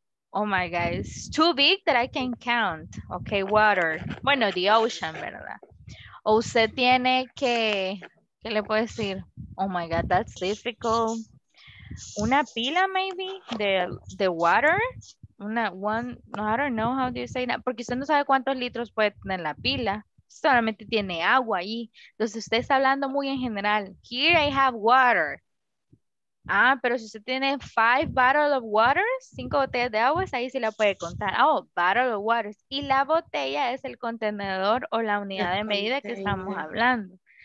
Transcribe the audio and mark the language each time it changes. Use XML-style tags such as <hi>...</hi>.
<en>Oh my God, it's too big that I can count. Okay, water. Bueno, the ocean, ¿verdad?</en> <es>O usted tiene que, ¿qué le puedo decir?</es> <en>Oh my God, that's difficult.</en> <es>Una pila,</es> <en>maybe, the water. No, I don't know how do you say that.</en> <es>Porque usted no sabe cuántos litros puede tener la pila. Solamente tiene agua ahí. Entonces usted está hablando muy en general.</es> <en>Here I have water.</en> <es>Ah, pero si usted tiene 5</es> <en>bottles of water,</en> <es>5 botellas de agua, ahí sí la puede contar.</es> <en>Oh, bottle of water.</en> <es>Y la botella es el contenedor o la unidad de medida que estamos hablando.</es>